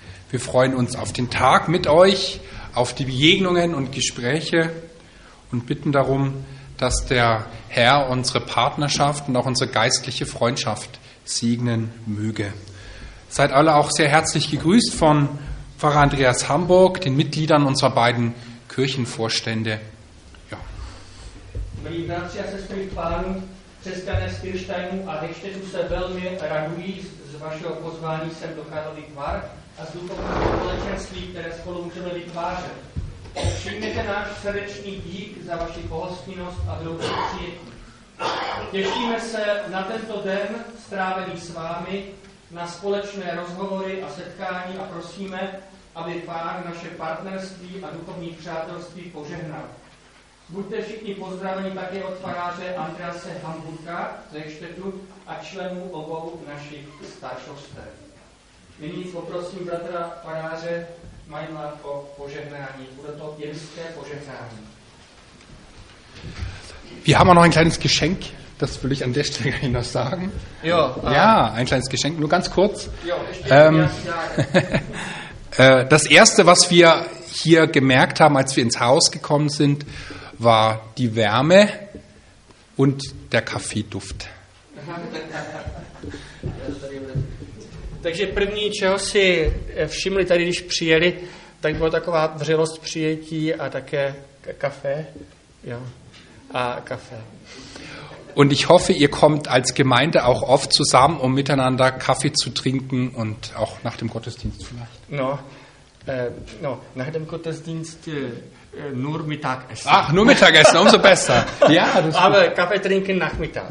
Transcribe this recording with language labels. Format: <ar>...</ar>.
<de>Wir freuen uns auf den Tag mit euch, auf die Begegnungen und Gespräche und bitten darum, dass der Herr unsere Partnerschaft und auch unsere geistliche Freundschaft segnen möge. Seid alle auch sehr herzlich gegrüßt von Pfarrer Andreas Hamburg, den Mitgliedern unserer beiden Kirchenvorstände. Ja.</de> <cs>Vítáci a sestry pánů, křesťané z Kirštajnu a Hechtštejnu se velmi radují z vašeho pozvání sem do Karlovy Vary a z duchovního společenství, které spolu můžeme vytvářet. Přijměte náš srdečný dík za vaši pohostinnost a velkou přijetí. Těšíme se na tento den strávený s vámi, na společné rozhovory a setkání a prosíme, aby Pán naše partnerství a duchovní přátelství požehnal. Buďte všichni pozdraveni také od faráře Andrease Hamburka ze Hechtštejnu a členů obou našich staršovstev. Nyní poprosím bratra faráře Majdla o požehnání. Bude to jemské požehnání.</cs> <de>Wir haben auch noch ein kleines Geschenk, das will ich an der Stelle gleich noch sagen. Jo, ja, ein kleines Geschenk, nur ganz kurz. Jo, das Erste, was wir hier gemerkt haben, als wir ins Haus gekommen sind, war die Wärme und der Kaffeeduft.</de> <cs>Takže první, čeho si všimli tady, když přijeli, tak byla taková vřelost přijetí a také kafe.</cs> <de>Jo. A Kaffee. Und ich hoffe, ihr kommt als Gemeinde auch oft zusammen, um miteinander Kaffee zu trinken und auch nach dem Gottesdienst vielleicht. No, nach dem Gottesdienst nur Mittagessen. Ach, nur Mittagessen, umso besser. Ja, das aber gut. Kaffee trinken Nachmittag.</de>